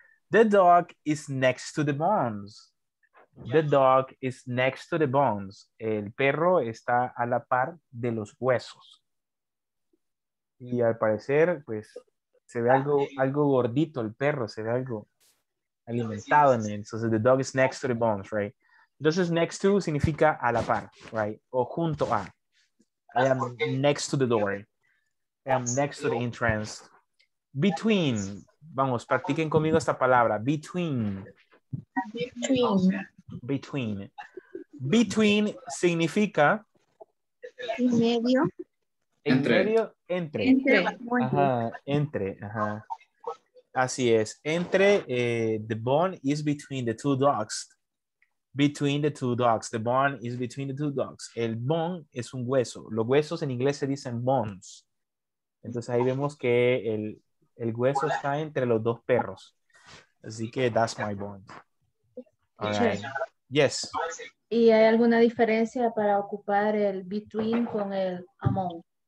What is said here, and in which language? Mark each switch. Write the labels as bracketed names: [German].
[English] The dog is next to the bones. The dog is next to the bones. [Spanish] El perro está a la par de los huesos. Y al parecer, pues, se ve algo gordito el perro. Se ve algo alimentado en él. [English] Entonces, the dog is next to the bones, right? [Spanish] Entonces, next to significa a la par, right? O junto a. [English] I am next to the door. I am next to the entrance. [Spanish] Between, vamos, practiquen conmigo esta palabra, between. [English] Between. Between. Between significa. [Spanish] En medio. Entre. En medio, entre. Entre. Ajá, entre, ajá. Así es, entre, [English] the bone is between the two dogs. Between the two dogs, the bone is between the two dogs. [Spanish] El bone es un hueso, los huesos en inglés se dicen bones. Entonces ahí vemos que el hueso está entre los dos perros. Así que [English] that's my bone. Right. Yes. [Spanish] ¿Y hay alguna diferencia para ocupar el between con el among?